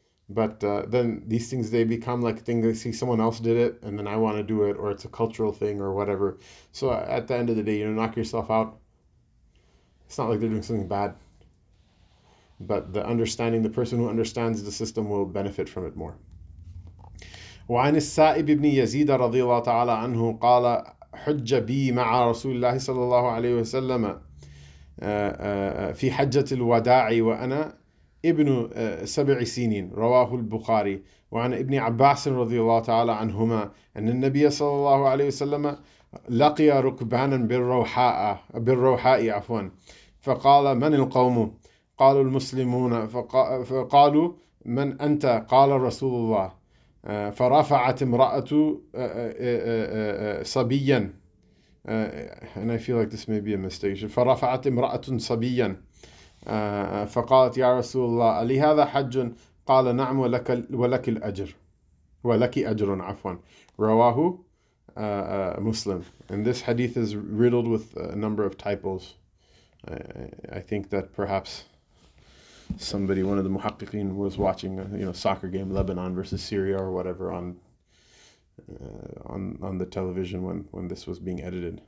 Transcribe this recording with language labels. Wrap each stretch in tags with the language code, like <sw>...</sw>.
<en>But then these things, they become like things, they see someone else did it and then I want to do it, or it's a cultural thing or whatever. So at the end of the day, knock yourself out. It's not like they're doing something bad. But the understanding, the person who understands the system will benefit from it more.</en> <ar>وعن السائب ابن يزيد رضي الله تعالى عنه قال حج بي مع رسول الله صلى الله عليه وسلم في حجة الوداع وأنا ابن سبع سنين رواه البخاري وعن ابن عباس رضي الله تعالى عنهما أن النبي صلى الله عليه وسلم لقي ركبانا بالروحاء فقال من القوم قالوا المسلمون فقالوا من أنت قال رسول الله فرفعت امرأة صبيا</ar> <en>and I feel like this may be a mistake.</en> <ar>فرفعت امرأة صبيا فقالت يا رسول الله ألي هذا حج قال نعم ولك الأجر ولك أجر عفوا رواه مسلم.</ar> <en>And this hadith is riddled with a number of typos. I think that perhaps somebody, one of the muhaqqiqin, was watching a soccer game, Lebanon versus Syria or whatever, on the television when this was being edited.</en>